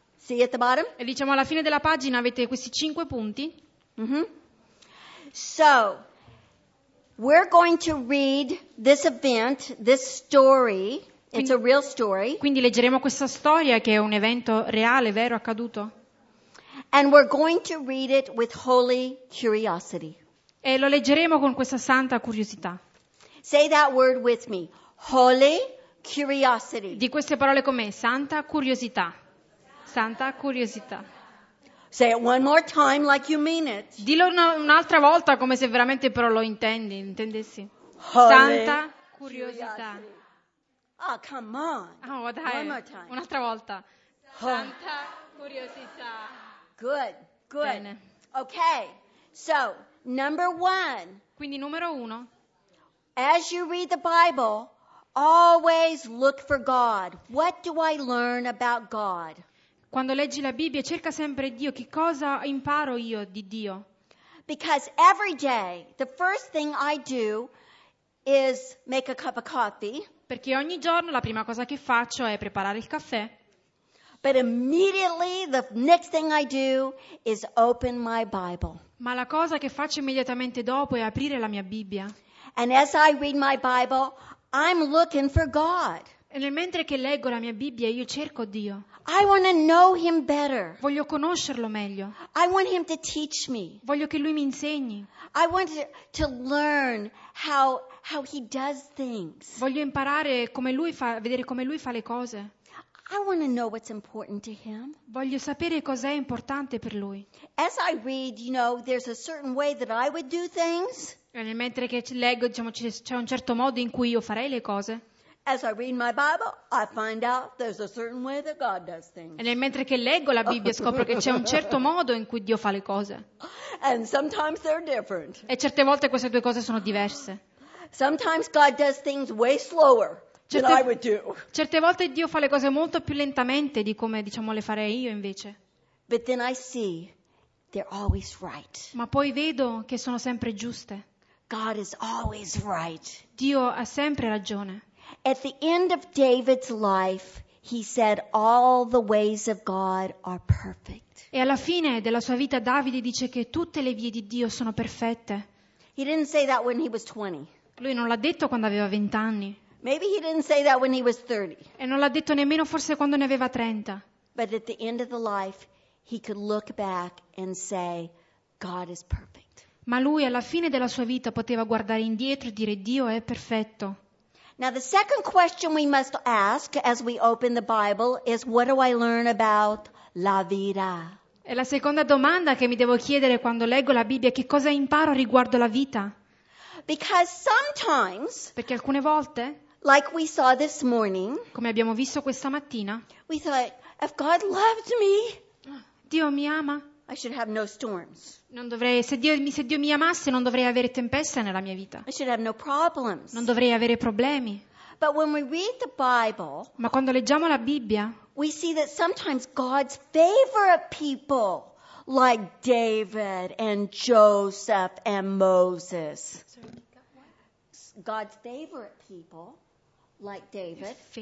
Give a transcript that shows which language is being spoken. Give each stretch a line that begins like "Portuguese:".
English: See at the bottom?
Italian: E diciamo alla fine della pagina avete questi 5 punti.
English: So, we're going to read this event, this story. Quindi, it's a real story.
Italian: Quindi leggeremo questa storia che è un evento reale, vero, accaduto.
English: And we're going to read it with holy curiosity.
Italian: E lo leggeremo con questa santa curiosità.
English: Say that word with me. Holy curiosity.
Italian: Di queste parole con me, santa curiosità. Santa curiosità.
English: Say it one more time like you mean it.
Italian: Dillo un'altra volta come se veramente però lo intendessi. Santa curiosità.
English: Oh, come on.
Italian: Oh, dai.
English: One more time.
Italian: Un'altra volta. Santa curiosità.
English: Good, good.
Italian: Bene.
English: Okay, so, number one.
Italian: Quindi numero uno.
English: As you read the Bible, always look for God. What do I learn about God?
Italian: Quando leggi la Bibbia, cerca sempre Dio. Che cosa imparo io di Dio?
English: Because every day, the first thing I do is make a cup of coffee.
Italian: Perché ogni giorno la prima cosa che faccio è preparare il caffè.
English: But immediately, the next thing I do is open my Bible.
Italian: Ma la cosa che faccio immediatamente dopo è aprire la mia Bibbia.
English: And as I read my Bible, I'm looking for God.
Italian: E mentre che leggo la mia Bibbia, io cerco Dio.
English: I want to know him better.
Italian: Voglio conoscerlo meglio.
English: I want him to teach me.
Italian: Voglio che lui mi insegni.
English: I want to learn how he does things.
Italian: Voglio imparare come lui fa, vedere come lui fa le cose.
English: I want to know what's important to him.
Italian: Voglio sapere cos'è importante per lui.
English: As I read, you know, there's a certain way that I would do things.
Italian: E mentre che leggo, diciamo, c'è un certo modo in cui io farei le cose.
English: As I read my Bible, I find out there's a certain way that God does things.
Italian: E mentre che leggo la Bibbia scopro che c'è un certo modo in cui Dio fa le cose.
English: And sometimes they're different.
Italian: E certe volte queste due cose sono diverse.
English: Sometimes God does things way slower.
Italian: Certe volte Dio fa le cose molto più lentamente di come, diciamo, le farei io invece.
English: But then I see they're always right.
Italian: Ma poi vedo che sono sempre giuste.
English: God is always right.
Italian: Dio ha sempre ragione.
English: At the end of David's life, he said, "All the ways of God are perfect."
Italian: E alla fine della sua vita Davide dice che tutte le vie di Dio sono perfette.
English: He didn't say that when he was 20.
Italian: Lui non l'ha detto quando aveva 20 anni.
English: Maybe he didn't say that when he was 30.
Italian: E non l'ha detto nemmeno forse quando ne aveva 30.
English: But at the end of the life, he could look back and say, "God is perfect."
Italian: Ma lui alla fine della sua vita poteva guardare indietro e dire, "Dio è perfetto."
English: Now the second question we must ask as we open the Bible is, "What do I learn about
Italian: la vita?" E la seconda domanda che mi devo chiedere quando leggo la Bibbia è, che cosa imparo riguardo la vita?
English: Because sometimes,
Italian: perché alcune volte,
English: like we saw this morning,
Italian: come abbiamo visto questa mattina,
English: we thought, if God loved me,
Italian: Dio mi ama,
English: I should have no storms.
Italian: Non dovrei, se Dio mi amasse, non dovrei avere tempeste nella mia vita.
English: I should have no problems.
Italian: Non dovrei avere problemi.
English: But when we read the Bible,
Italian: ma quando leggiamo la Bibbia,
English: we see that sometimes God's favorite people, like David and Joseph and Moses. God's favorite people, like David.